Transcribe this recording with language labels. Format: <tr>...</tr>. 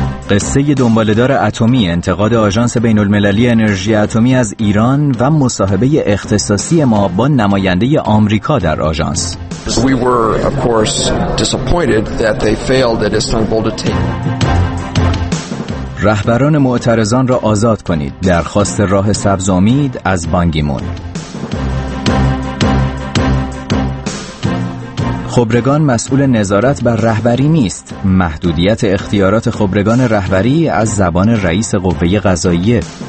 <fa>قصه دنباله‌دار اتمی، انتقاد آژانس بین‌المللی انرژی اتمی از ایران و مصاحبه اختصاصی ما با نماینده آمریکا در آژانس.</fa> <en>So we were, of course, disappointed that they failed at Istanbul to take.</en> <fa>رهبران معترضان را آزاد کنید. درخواست راه سبز امید از بانگیمون. خبرگان مسئول نظارت بر رهبری نیست. محدودیت اختیارات خبرگان رهبری از زبان رئیس قوه قضاییه.</fa>